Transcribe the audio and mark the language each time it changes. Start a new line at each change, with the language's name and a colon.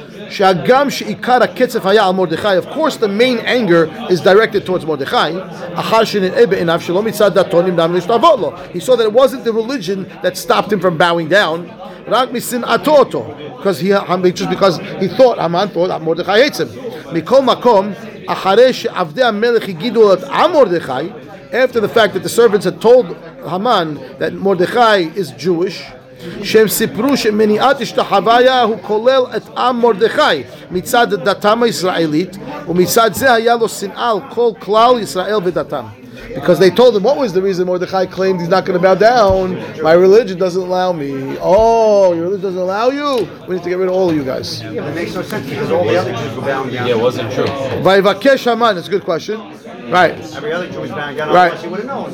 Hebrew: שהגם שעיקר הקצף היה על מרדכי,
English: of course the main anger is directed towards מרדכי,
Hebrew: אחר שנראה בעיניו שלא מצד דתו נמנע מלהשתעבוד לו.
English: He saw that it wasn't the religion that stopped him from bowing down,
Hebrew: רק משנאתו אותו,
English: because he thought, Haman thought that מרדכי hates him.
Hebrew: מכל מקום, אחרי שעבדי המלך הגידו על מרדכי,
English: after the fact that the servants had told Haman that Mordechai is Jewish,
Hebrew: שהם סיפרו שמניעת השתחוויה הוא כולל את עם מרדכי מצד דתם הישראלית, ומצד זה היה לו שנאה על כל כלל ישראל ודתם.
English: Because they told him, what was the reason Mordechai claimed he's not going to bow down? My religion doesn't allow me. Oh, your religion doesn't allow you? We need to get rid of all of you guys. Yeah, it wasn't true. Haman, that's a good question. Right. Every other Jewish bowing down, right. Unless he would have known.